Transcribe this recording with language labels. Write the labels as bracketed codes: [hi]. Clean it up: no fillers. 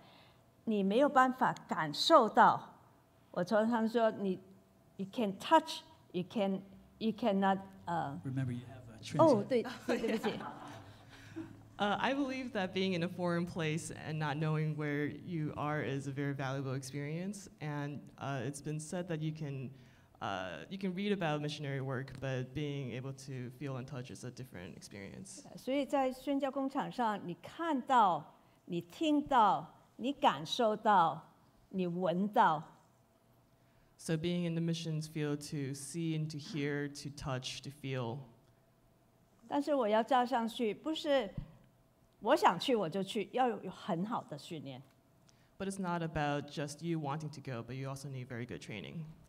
[zh] 神会让我们在宣教的工厂里面一个陌生的环境里面，扩张我们的心，打开我们的眼。我常常觉得，看宣教师的代祷信很有帮助，帮助我们去祷告。但是他所形容的，他所描写的，你没有办法感受到。 [en] I believe that being in a foreign place and not knowing where you are is a very valuable experience. And it's been said that you can read about missionary work, but being able to feel and touch is a different experience. [zh] 所以在宣教工厂上，你看到、你听到、你感受到、你闻到。 [en] So being in the missions field to see and to hear, to touch, to feel. [zh] 但是我要叫上去，不是我想去我就去，要有很好的训练。 [en] But it's not about just you wanting to go, but you also need very good training.